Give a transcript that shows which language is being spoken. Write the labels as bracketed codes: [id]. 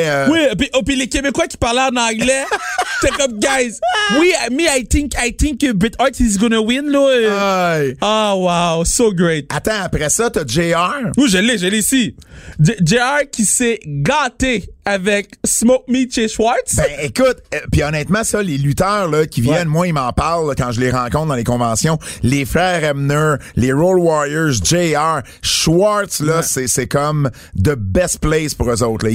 [fr] Oui, puis les Québécois qui parlaient en anglais, c'était comme guys. [en] Oui, me, I think Bret Hart is gonna win, là. Aye. Oh wow, so great. [fr] Attends, après ça, t'as JR. Oui, je l'ai ici. JR qui s'est gâté avec Smoke Meat chez Schwartz. Ben écoute, puis honnêtement ça, les lutteurs là qui viennent, moi ils m'en parlent là, quand je les rencontre dans les conventions, les frères Ebner, les Road Warriors, JR, Schwartz là, c'est comme [en] the best place [fr] pour eux autres, là.